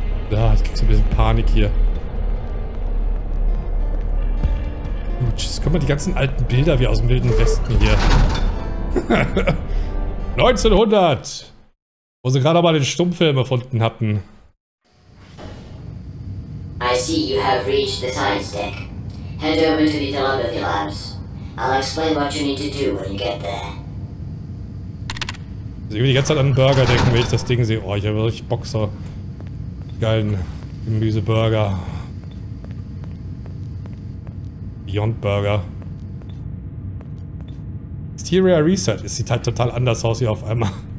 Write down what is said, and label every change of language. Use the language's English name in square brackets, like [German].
[German] Ja, ich krieg so ein bisschen Panik hier. Gut, jetzt kommen die ganzen alten Bilder wie aus dem Wilden Westen hier. 1900! Wo sie gerade mal den Stummfilm erfunden hatten. [English] I see you have reached the science deck. Head over to the telepathy labs. I'll explain what you need to do when you get there. [German] Also ich will die ganze Zeit an den Burger denken, wenn ich das Ding sehe. Oh, ich habe wirklich Bock so geilen Gemüseburger. Beyond Burger. Exterior Reset. Es sieht halt total anders aus hier auf einmal.